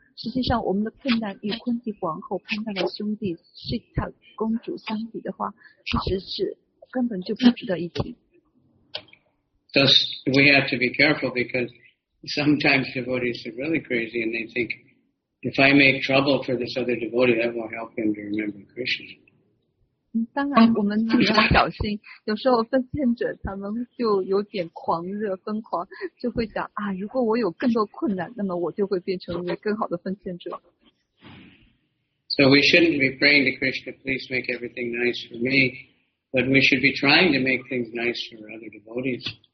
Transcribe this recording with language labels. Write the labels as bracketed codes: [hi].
[zh] 实际上我们的困难与昆蒂皇后攀上的兄弟 Sita 公主相比的话，其实是根本就不值得一提。 [en] Thus we have to be careful because sometimes devotees are really crazy and they think if I make trouble for this other devotee that will help him to remember Krishna. [zh] 当然我们也要小心，有时候奉献者他们就有点狂热疯狂，就会想啊，如果我有更多困难，那么我就会变成一位更好的奉献者。 [en] So we shouldn't be praying to Krishna, please make everything nice for me, but we should be trying to make things nice for other devotees.